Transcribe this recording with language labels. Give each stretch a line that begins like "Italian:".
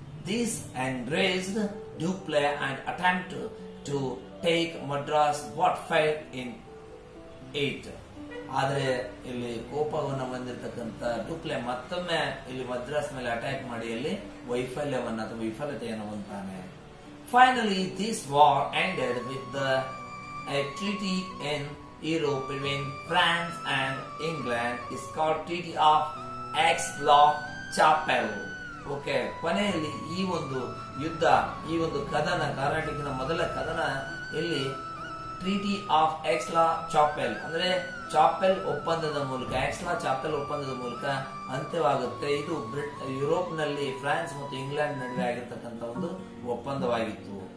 English: This enraged Dupleix and attempt to take Madras but fail in 8.
Kannada: ಆದ್ರೆ ಇಲ್ಲಿ ಕೋಪವನ್ನು ಬಂದಿರತಕ್ಕಂಥ ಡ್ಯುಪ್ಲೇ ಮತ್ತೊಮ್ಮೆ ಇಲ್ಲಿ ಮದ್ರಾಸ್ ಮೇಲೆ ಅಟ್ಯಾಕ್ ಮಾಡಿ ಅಲ್ಲಿ ವೈಫಲ್ಯವನ್ನು ಅಥವಾ ವಿಫಲತೆಯನ್ನು ಹೊಂದಾನೆ.
English: Finally this war ended with the A treaty in Europe between France and England is called Treaty of Aix-la-Chapelle.
Kannada: Okay, ಕೊನೆಯಲ್ಲಿ ಈ ಒಂದು ಯುದ್ಧ, ಈ ಒಂದು ಕದನ, ಕರ್ನಾಟಕದ ಮೊದಲ ಕದನ ಇಲ್ಲಿ ಟ್ರೀಟಿ ಆಫ್ ಎಕ್ಸ್-ಲಾ-ಚಾಪೆಲ್ ಅಂದ್ರೆ ಚಾಪೆಲ್ ಒಪ್ಪಂದದ ಮೂಲಕ, ಎಕ್ಸ್-ಲಾ-ಚಾಪೆಲ್ ಒಪ್ಪಂದದ ಮೂಲಕ ಅಂತ್ಯವಾಗುತ್ತೆ. ಇದು ಯುರೋಪ್ ನಲ್ಲಿ ಫ್ರಾನ್ಸ್ ಮತ್ತು ಇಂಗ್ಲೆಂಡ್ ನಡುವೆ ಆಗಿರ್ತಕ್ಕಂಥ ಒಂದು ಒಪ್ಪಂದವಾಗಿತ್ತು.